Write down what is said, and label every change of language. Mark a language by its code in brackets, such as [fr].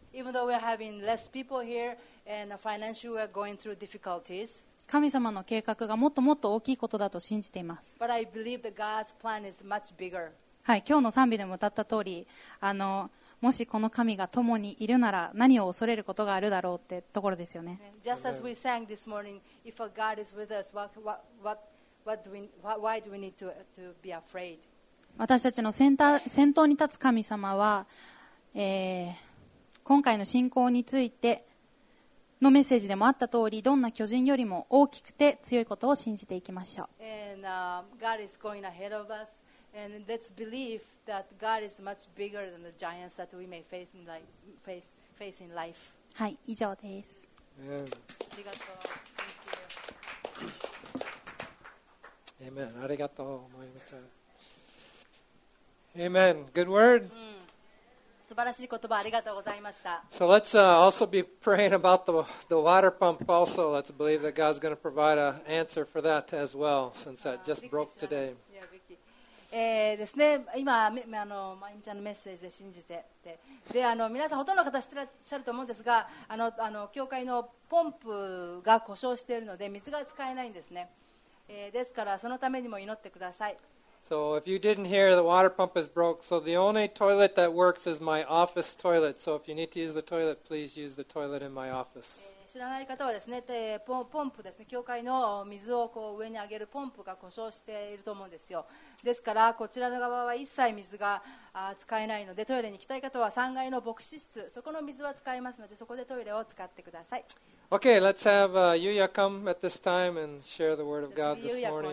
[en] Even though we're having less people here,And financially we are going through difficulties. [ja] 神様の計画がもっともっと大きいことだと信じています。 [en] But I believe that God's plan is much bigger. [ja] はい、今日の賛美でも歌った通り、もしこの神が共にいるなら何を恐れることがあるだろうってところですよね。 [en] Just as we sang this morning, if God is with us, why do we need to be afraid? [ja] 私たちの先頭に立つ神様は、今回の信仰についてのメッセージでもあった通り、どんな巨人よりも大きくて強いことを信じていきましょう。 [en] And, God is going ahead of us, and let's believe that God is much bigger than the giants that we may face in life. [ja] はい、以上です。 [en] Yeah. [ja] ありがとう。 [en] Thank you. Amen. [ja] ありがとう、まゆみちゃん。 [en] Amen. Good word.、 [ja] うん、素晴らしい言葉ありがとうございました。 [en] So let's also be praying about the water pump also. Let's believe that God's going to provide an answer for that as well, since that just broke today. [ja] ですね、今、まゆみちゃんのメッセージで信じてって。で、皆さんほとんどの方知ってらっしゃると思うんですが、教会のポンプが故障しているので、水が使えないんですね。ですから、そのためにも祈ってください。 [en] So if you didn't hear, the water pump is broke. So the only toilet that works is my office toilet. So if you need to use the toilet, please use the toilet in my office. [ja] 知らない方はですね、ポンプですね、教会の水をこう上に上げるポンプが故障していると思うんですよ。ですからこちらの側は一切水が使えないので、トイレに行きたい方は3階の牧師室、そこの水は使えますので、そこでトイレを使ってください。 [en] Okay, let's have Yuya come at this time and share the word of God this morning.